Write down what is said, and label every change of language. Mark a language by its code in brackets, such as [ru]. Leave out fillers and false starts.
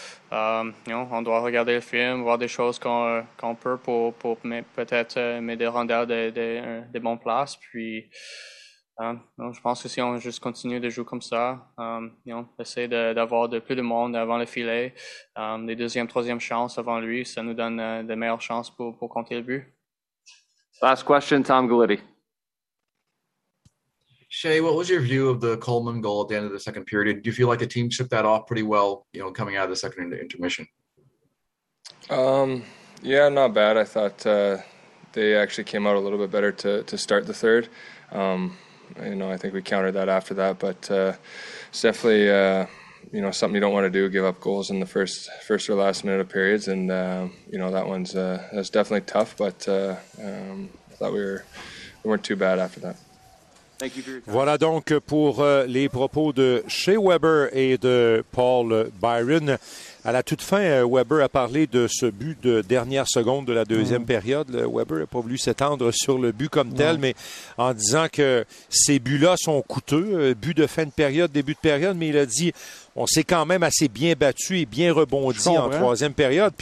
[fr] On doit regarder le film, voir des choses qu'on peut pour peut-être m'aider à rendre des bonnes places. Puis, je pense que si on juste continue de jouer comme ça, essayer d'avoir de plus de monde avant le filet, des deuxièmes, troisièmes chances avant lui, ça nous donne de meilleures chances pour compter le but. [en] Last question, Tom Gallitti. Shay, what was your view of the Coleman goal at the end of the second period? Do you feel like the team shook that off pretty well, you know, coming out of the second intermission? Yeah, not bad. I thought they actually came out a little bit better to start the third. I think we countered that after that. But it's definitely, something you don't want to do, give up goals in the first or last minute of periods. And, that's definitely tough. But I thought we weren't too bad after that. [fr] Voilà donc pour les propos de Shea Weber et de Paul Byron. À la toute fin, Weber a parlé de ce but de dernière seconde de la deuxième période. Weber n'a pas voulu s'étendre sur le but comme tel, mais en disant que ces buts-là sont coûteux, but de fin de période, début de période, mais il a dit on s'est quand même assez bien battu et bien rebondi en troisième période.